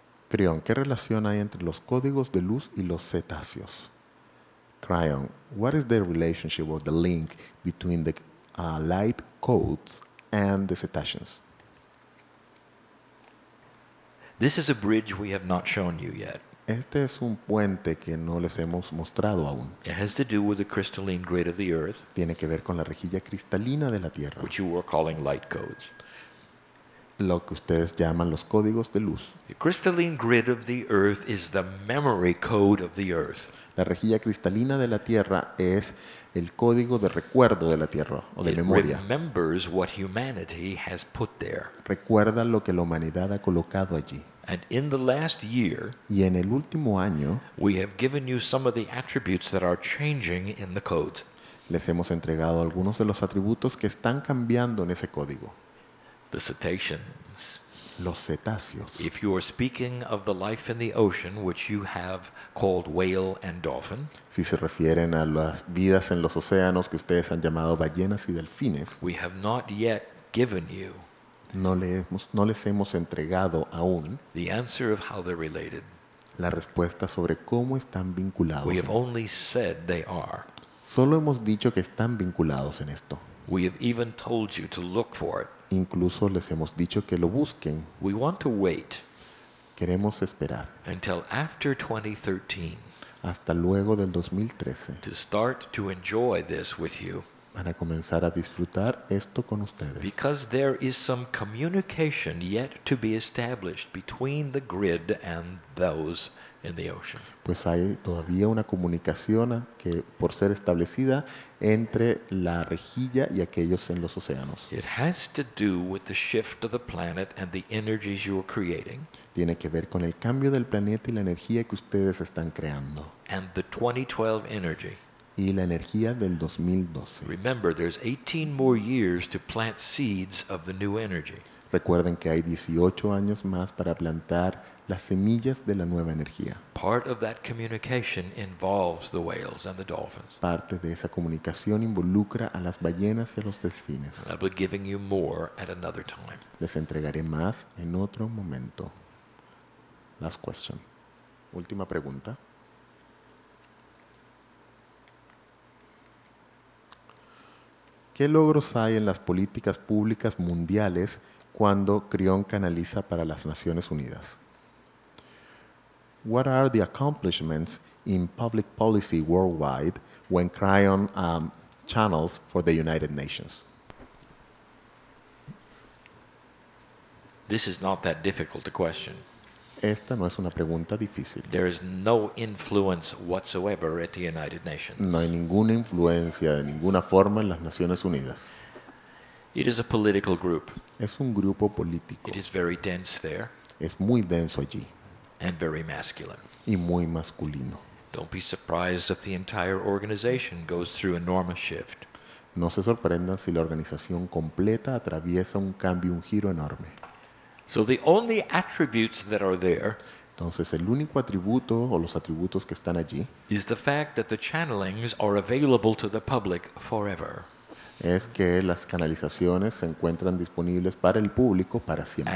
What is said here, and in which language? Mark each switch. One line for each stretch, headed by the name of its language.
Spanish: Creon, ¿qué relación hay entre los códigos de luz y los cetáceos?
English: Creon, what is the relationship or the link between the light codes and the cetaceans? This is a bridge we have not shown you yet.
Spanish: Este es un puente que no les hemos mostrado aún.
English: It has to do with the crystalline grid of the earth.
Spanish: Tiene que ver con la rejilla cristalina de la Tierra.
English: Which you were calling light codes.
Spanish: Lo que ustedes llaman los códigos de luz.
English: The crystalline grid of the earth is the memory code of the earth.
Spanish: La rejilla cristalina de la Tierra es el código de recuerdo de la Tierra o de
English: It
Spanish: memoria.
English: Remembers what humanity has put there.
Spanish: Recuerda lo que la humanidad ha colocado allí.
English: And in the last year,
Spanish: y en el último año,
English: we have given you some of the attributes that are changing in the code.
Spanish: Les hemos entregado algunos de los atributos que están cambiando en ese código.
English: The cetaceans.
Spanish: Los cetáceos.
English: If you are speaking of the life in the ocean, which you have called whale and dolphin,
Spanish: si se refieren a las vidas en los océanos que ustedes han llamado ballenas y delfines,
English: we have not yet given you.
Spanish: No les hemos entregado aún
English: the answer of how they're related.
Spanish: La respuesta sobre cómo están vinculados.
English: We have only said they are.
Spanish: Solo hemos dicho que están vinculados en esto.
English: We have even told you to look for it.
Spanish: Incluso les hemos dicho que lo busquen.
English: We want to wait.
Spanish: Queremos esperar.
English: Until after 2013.
Spanish: Hasta luego del 2013.
English: To start to enjoy this with you.
Spanish: Para comenzar a disfrutar esto con ustedes.
English: Because there is some communication yet to be established between the grid and those in the ocean.
Spanish: Pues hay todavía una comunicación que por ser establecida entre la rejilla y aquellos en los océanos.
English: It has to do with the shift of the planet and the energies you are creating.
Spanish: Tiene que ver con el cambio del planeta y la energía que ustedes están creando.
English: And the 2012 energy.
Spanish: Y la energía del 2012.
English: Remember, there's 18 more years to plant seeds of the new energy.
Spanish: Recuerden que hay 18 años más para plantar las semillas de la nueva energía.
English: Part of that communication involves the whales and the dolphins.
Spanish: Parte de esa comunicación involucra a las ballenas y a los delfines.
English: I'll be giving you more at another time.
Spanish: Les entregaré más en otro momento.
English: Last question.
Spanish: Última pregunta. ¿Qué logros hay en las políticas públicas mundiales cuando Creon canaliza para las Naciones Unidas?
English: What are the accomplishments in public policy worldwide when Creon channels for the United Nations? This is not that difficult a question.
Spanish: Esta no es una pregunta difícil.
English: There is no influence whatsoever at the United Nations.
Spanish: No hay ninguna influencia de ninguna forma en las Naciones Unidas.
English: It is a political group.
Spanish: Es un grupo político.
English: It is very dense there.
Spanish: Es muy denso allí.
English: And very masculine.
Spanish: Y muy masculino.
English: Don't be surprised if the entire organization goes through enormous shift.
Spanish: No se sorprendan si la organización completa atraviesa un cambio, un giro enorme.
English: So the only attributes that are there.
Spanish: Entonces el único atributo o los atributos que están allí
English: is the fact that the channelings are available to the public forever.
Spanish: Es que las canalizaciones se encuentran disponibles para el público para siempre.